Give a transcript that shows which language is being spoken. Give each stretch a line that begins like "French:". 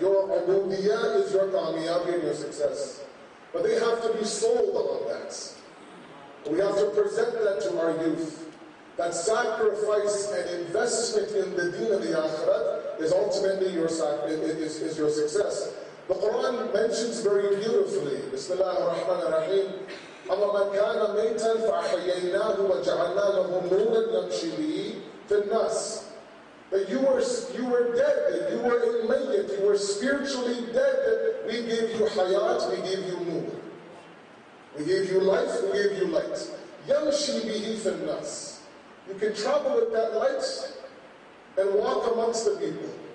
English: Your ubudiyyah is your kamiyabi and your success. But they have to be sold on that. We have to present that to our youth. That sacrifice and investment in the deen of the akhirat is ultimately your success. The Quran mentions very beautifully,
Arabic: Bismillah ar-Rahman ar-Rahim, أَمَّا مَنْ كَانَ مَيْتًا فَأَحْيَيْنَاهُ وَجَعَلْنَا لَهُ نُورًا يَمْشِي بِهِ فِي النَّاسِ.
English: That you were dead, that you were in mayyit, you were spiritually dead, that we gave you hayat, we gave you nur. We gave you life, we gave you light.
Arabic: Yamshi bihi fin nas.
English: You can travel with that light and walk amongst the people.